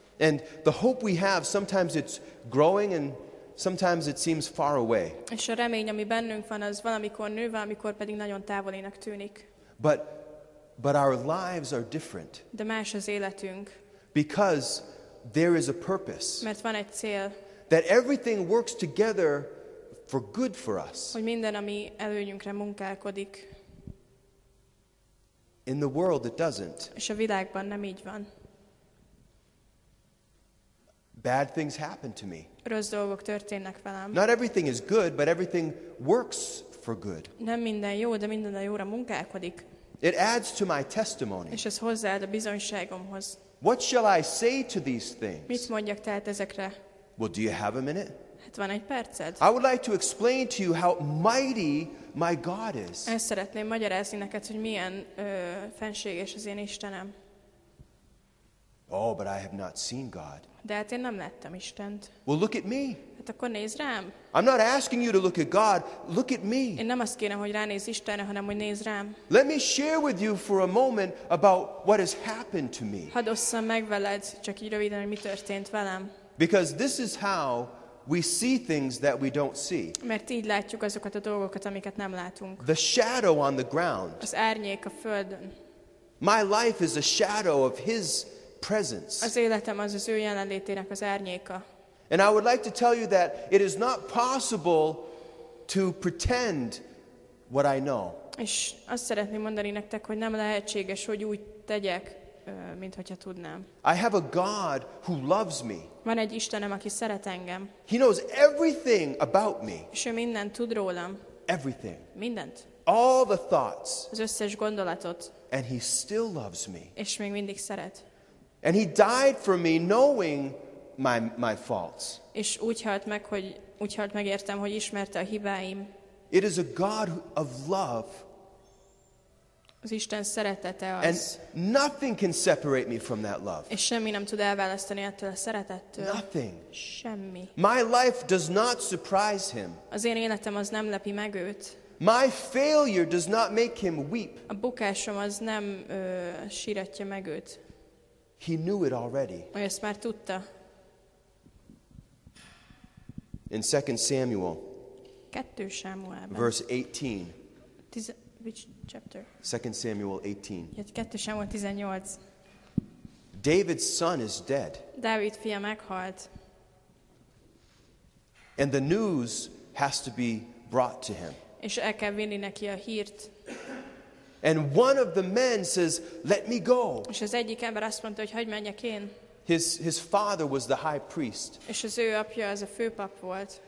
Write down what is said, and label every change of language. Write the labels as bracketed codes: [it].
[en] And the hope we have, sometimes it's growing and sometimes it seems far away. [hu] És a remény, ami bennünk van, az valamikor nő, valamikor pedig nagyon távolinak tűnik. [en] But our lives are different. [hu] De más az életünk. [en] Because there is a purpose. [hu] Mert van egy cél. [en] That everything works together for good for us. [hu] Hogy minden, ami előnyünkre munkálkodik. [en] In the world it doesn't. [hu] És a világban nem így van. [en] Bad things happen to me. [hu] Rossz dolgok történnek velem. [en] Not everything is good, but everything works for good. [hu] Nem minden jó, de minden a jóra munkálkodik. [en] It adds to my testimony. [hu] És ez hozzáad a bizonyságomhoz. [en] What shall I say to these things? [hu] Mit mondjak tehát ezekre? [en] Well, do you have a minute? [hu] Hát van egy perced. [en] I would like to explain to you how mighty my God is. [hu] Ezt szeretném magyarázni neked, hogy milyen fenséges az én Istenem. [en] Oh, but I have not seen God. [hu] De hát én nem láttam Istent. [en] Well, look at me. [hu] Hát akkor nézz rám. [en] I'm not asking you to look at God. Look at me. [hu] Én nem azt kérem, hogy ránézz Istenre, hanem hogy nézz rám. [en] Let me share with you for a moment about what has happened to me. [hu] Hadd osszam meg veled, csak így röviden, hogy mi történt velem. [en] Because this is how we see things that we don't see. [hu] Mert így látjuk azokat a dolgokat, amiket nem látunk. [en] The shadow on the ground. [hu] Az árnyék a földön. [en] My life is a shadow of His presence. [hu] Az életem az az ő jelenlétének az árnyéka. [en] And I would like to tell you that it is not possible to pretend what I know. [hu] És azt szeretném mondani nektek, hogy nem lehetséges, hogy úgy tegyek, mint hogyha tudnám. [en] I have a God who loves me. [hu] Van egy Istenem, aki szeret engem. [en] He knows everything about me. [hu] És ő mindent tud rólam. [en] Everything. [hu] Mindent. [en] All the thoughts. [hu] Az összes gondolatot. [en] And He still loves me. [hu] És még mindig szeret. [en] And He died for me knowing my faults. [hu] És úgy halt meg, hogy úgy halt meg értem, hogy ismerte a hibáim. [en] It is a God of love. [hu] Az Isten szeretete az. [en] And nothing can separate me from that love. [hu] És semmi nem tud elválasztani ettől a szeretettől. [en] Nothing. [hu] Semmi. [en] My life does not surprise Him. [hu] Az én életem az nem lepi meg őt. [en] My failure does not make Him weep. [hu] A bukásom az nem síratja meg őt. [en] He knew it already. [hu] Ő ezt már tudta. [en] In 2 Samuel. [hu] 2 Sámuelben. [en] Verse 18. Which chapter? 2 Samuel 18. 2 Samuel 18. David's son is dead. [hu] Dávid fia meghalt. [en] And the news has to be brought to him. [hu] És el kell vinni neki a hírt. [en] And one of the men says, "Let me go." [hu] És az egyik ember azt mondta, hogy hagyd menjek én. [en] His father was the high priest. [hu] És az ő apja az a főpap volt.